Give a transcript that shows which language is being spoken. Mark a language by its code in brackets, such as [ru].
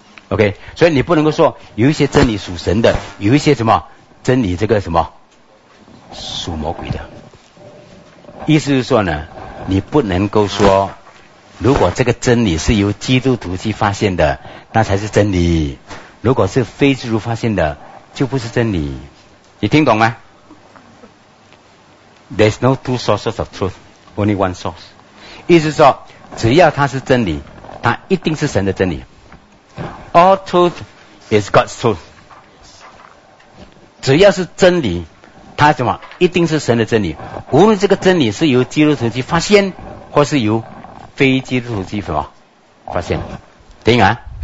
[zh] OK， 所以你不能够说有一些真理属神的，有一些什么真理这个什么属魔鬼的。意思是说呢，你不能够说如果这个真理是由基督徒去发现的，那才是真理，如果是非基督发现的，就不是真理。你听懂吗？ [en] There's no two sources of truth, only one source. [zh] 意思是说，只要它是真理，它一定是神的真理。 [en] All truth is God's truth. [zh] 只要是真理，它什么？一定是神的真理。无论这个真理是由基督徒去发现，或是由非基督徒去什么发现，听啊。